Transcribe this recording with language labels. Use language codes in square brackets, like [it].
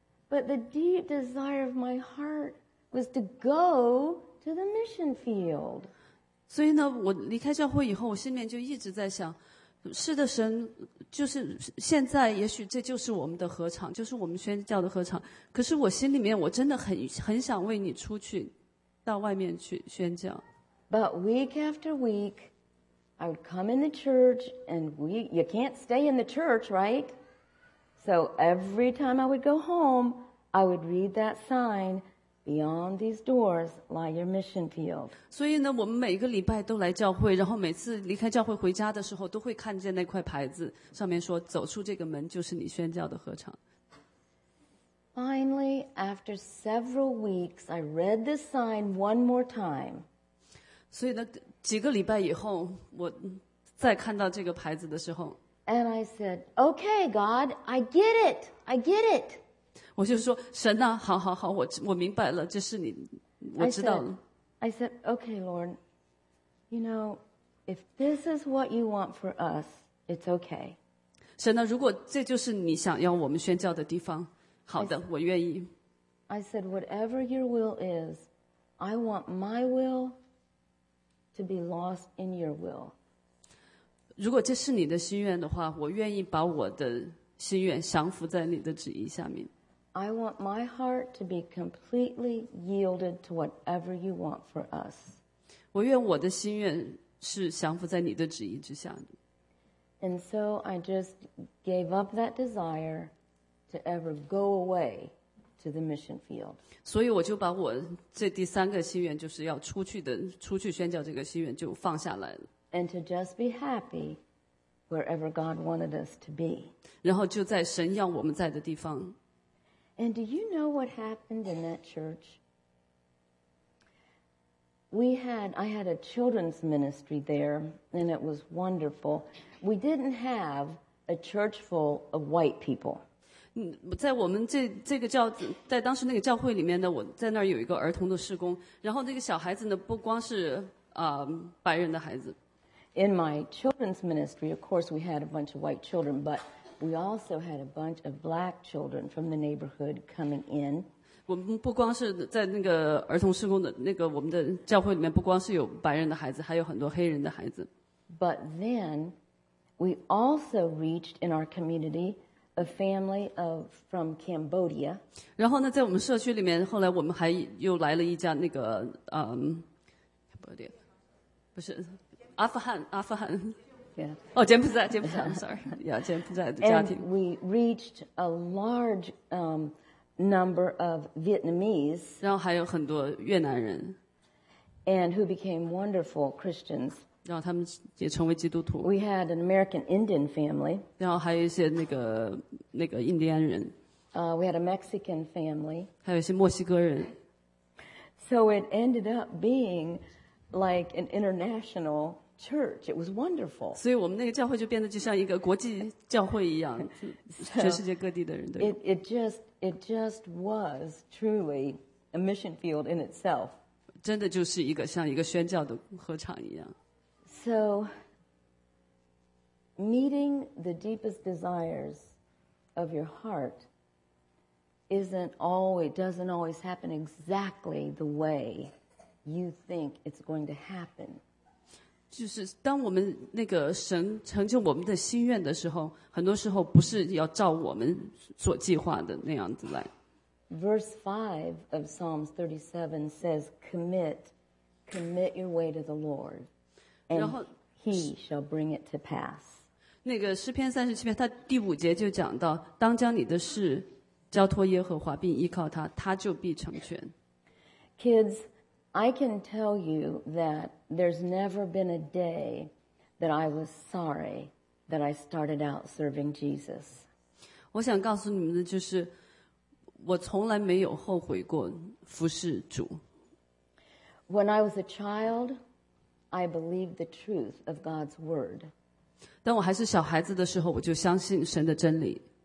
[en] But the deep desire of my heart was to go to the mission field. [zh] 所以呢，我离开教会以后，我心里面就一直在想，是的，神，就是现在，也许这就是我们的合场，就是我们宣教的合场。可是我心里面，我真的很想为你出去。到外面去宣教。 [en] But week after week, I would come in the church, and you can't stay in the church, right? So every time I would go home, I would read that sign, "Beyond these doors lie your mission field." [zh] 所以呢，我们每个礼拜都来教会，然后每次离开教会回家的时候，都会看见那块牌子，上面说，走出这个门就是你宣教的合场。 [en] Finally, after several weeks, I read the sign one more time. [zh] 所以呢，几个礼拜以后，我再看到这个牌子的时候。 [en] And I said, "Okay, God, I get it." [zh] 我就说，神啊，好好好，我明白了，这是你，我知道了。 [en] I said, "Okay, Lord, you know, if this is what you want for us, it's okay." [zh] 神啊，如果这就是你想要我们宣教的地方。好的，我愿意。 [en] I said, "Whatever your will is, I want my will to be lost in your will." [zh] 如果这是你的心愿的话，我愿意把我的心愿降服在你的旨意下面。 [en] I want my heart to be completely yielded to whatever you want for us. [zh] 我愿我的心愿是降服在你的旨意之下的。 [en] And so I just gave up that desire. To ever go away to the mission field. [zh] 所以我就把我这第三个心愿，就是要出去宣教这个心愿，就放下来了。 [en] And to just be happy wherever God wanted us to be. [zh] 然后就在神要我们在的地方。 [en] And do you know what happened in that church? I had a children's ministry there, and it was wonderful. We didn't have a church full of white people. [zh] 在我们这个教在当时那个教会里面呢，我在那儿有一个儿童的事工，然后那个小孩子呢不光是白人的孩子。 [en] In my children's ministry, of course, we had a bunch of white children, but we also had a bunch of black children from the neighborhood coming in. [zh] 我们不光是在那个儿童事工的那个我们的教会里面，不光是有白人的孩子，还有很多黑人的孩子。 [en] But then, we also reached in our community. A family from Cambodia. [zh] 然后呢，在我们社区里面，后来我们还又来了一家那个Cambodia, 不是阿富汗。 [en] Yeah. [zh] 哦，柬埔寨 [en] I'm sorry. Yeah, [zh] 柬埔寨的家庭。 [en] And we reached a large number of Vietnamese. [zh] 然后还有很多越南人。 [en] And who became wonderful Christians. [zh] 然后他们也成为基督徒。 [en] We had an American Indian family. [zh] 然后还有一些那个印第安人。 [en] We had a Mexican family. [zh] 还有一些墨西哥人。 [en] So it ended up being like an international church. It was wonderful. [zh] 所以我们那个教会就变得就像一个国际教会一样，全世界各地的人都有。 [en] It just was truly a mission field in itself. [zh] 真的就是一个像一个宣教的合唱一样。 [en] So, meeting the deepest desires of your heart doesn't always happen exactly the way you think it's going to happen. [zh] 就是当我们那个神成就我们的心愿的时候，很多时候不是要照我们所计划的那样子来。 [en] Verse 5 of Psalms 37 says, commit your way to the Lord, and he shall bring it to pass. [zh] 那个诗篇37篇，它第五节就讲到，当将你的事交托耶和华，并依靠他，他就必成全。 [en] Kids, I can tell you that there's never been a day that I was sorry that I started out serving Jesus. [zh] 我想告诉你们的就是，我从来没有后悔过服侍主。 [en] When I was a child, I believed the truth of God's word. [zh] 当我还是小孩子的时候，我就相信神的真理。